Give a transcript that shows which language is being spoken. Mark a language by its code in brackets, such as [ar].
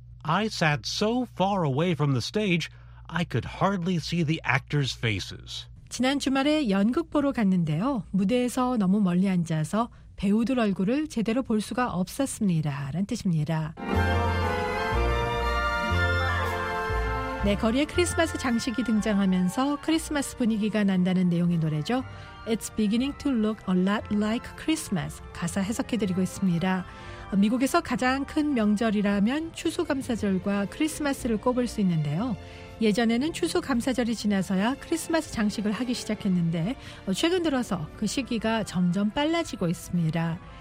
[en] I sat so far away from the stage, I could hardly see the actors' faces. [ko] 지난 주말에 연극 보러 갔는데요. 무대에서 너무 멀리 앉아서 배우들 얼굴을 제대로 볼 수가 없었습니다라는 뜻입니다. 네, 거리에 크리스마스 장식이 등장하면서 크리스마스 분위기가 난다는 내용의 노래죠. [en] It's beginning to look a lot like Christmas. [ko] 가사 해석해드리고 있습니다. 미국에서 가장 큰 명절이라면 추수감사절과 크리스마스를 꼽을 수 있는데요. 예전에는 추수감사절이 지나서야 크리스마스 장식을 하기 시작했는데 최근 들어서 그 시기가 점점 빨라지고 있습니다.